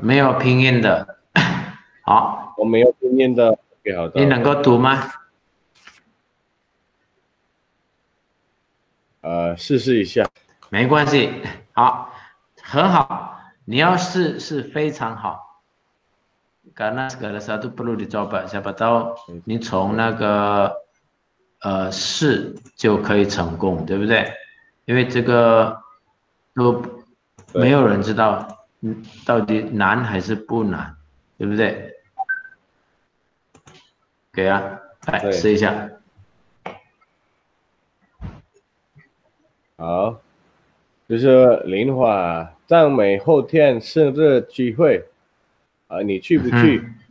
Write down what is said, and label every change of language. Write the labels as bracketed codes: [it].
[zh] 没有拼音的，好。我没有拼音的，好的。你能够读吗？试试一下。没关系，好，很好，你要试是非常好。 [id] karena segala sesuatu perlu dicoba, siapa tahu [zh] 你从那个试就可以成功，对不对？因为这个都没有人知道到底难还是不难，对不对？给啊，来试一下。好。就是灵华赞美后天生日聚会，你去不去？